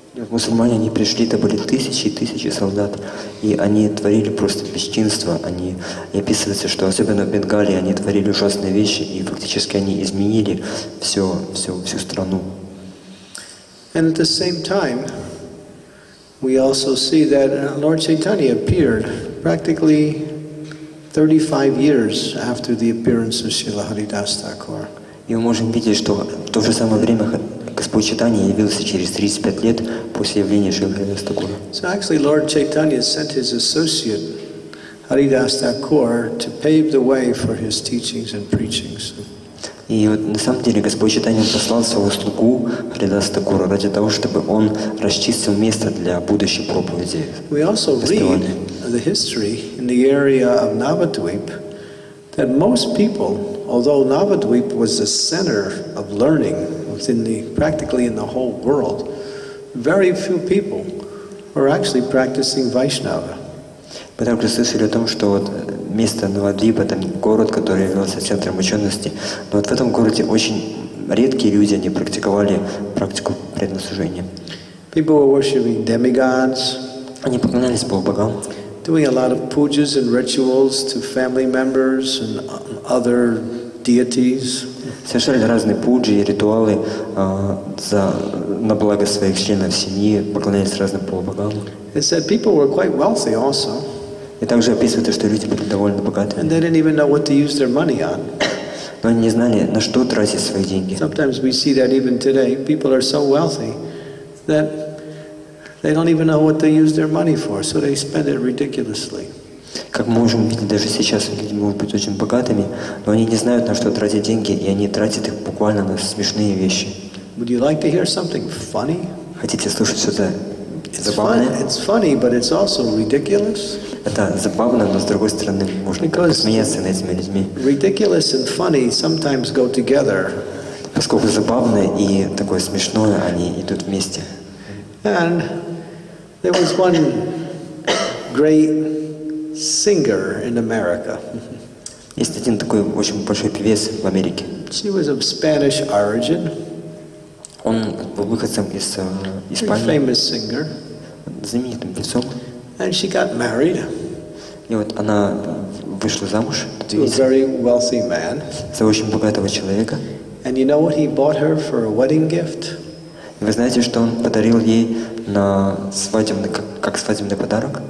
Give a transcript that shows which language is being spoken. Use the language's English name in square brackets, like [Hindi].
[Russian] Мусульмане, они пришли, это были тысячи и тысячи солдат, и они творили просто бесчинство, они, и описывается, что особенно в Бенгалии, они творили ужасные вещи, и фактически они изменили всю страну. [English] And at the same time, we also see that Lord Chaitanya appeared practically 35 years after the appearance of Srila Haridas Thakur. [Russian] И мы можем видеть, что в то же самое время Господь Чайтанья явился через 35 лет после явления Шрилы Харидас Такура. [English] So actually Lord Chaitanya sent his associate Haridas Thakur to pave the way for his teachings and preachings. [Russian] И вот на самом деле Господь Чайтанья послал своего слугу Харидас Такура ради того, чтобы он расчистил место для будущей проповеди. [English] We also read the history in the area of Navadvip that most people, although Navadvip was the center of learning within the, practically in the whole world, very few people were actually practicing Vaishnava. [Russian] Мы также слышали о том, что вот место Навадвипа, там город, который являлся центром учености, но вот в этом городе очень редкие люди, они практиковали практику преднослужения. [English] People were worshiping demigods. [Russian] Они поклонялись полубогам. [English] Doing a lot of pujas and rituals to family members and other deities. [Russian] Совершали разные пуджи и ритуалы на благо своих членов семьи, поклонялись разным полубогам. [English] It said people were quite wealthy also. [Russian] И также описывается, что люди были довольно богатыми. [English] And they didn't even know what to use their money on. [Russian] Но они не знали, на что тратить свои деньги. [English] Sometimes we see that even today, people are so wealthy that they don't even know what to use their money for, so they spend it ridiculously. [Russian] Как мы можем видеть, даже сейчас люди могут быть очень богатыми, но они не знают, на что тратить деньги, и они тратят их буквально на смешные вещи. [English] Would you like to hear something funny? [Russian] Хотите слушать что-то забавное? [English] It's funny, but it's also ridiculous. [Russian] Это забавно, но с другой стороны, можно посмеяться над этими людьми. [English] Ridiculous and funny sometimes go together. [Russian] Поскольку забавное и такое смешное, они идут вместе. [English] And there was one great singer in America. [Russian] Есть один такой очень большой певец в Америке. [English] She was of Spanish origin. [Russian] Он был выходцем из Испании. [English] Very famous singer. [Russian] Знаменитым певцом. [English] And she got married. [Russian] И вот она вышла замуж. [English] To a very wealthy man. [Russian] За очень богатого человека. [English] And you know what he bought her for a wedding gift? [Russian] Вы знаете, что он подарил ей на свадебный, как свадебный подарок?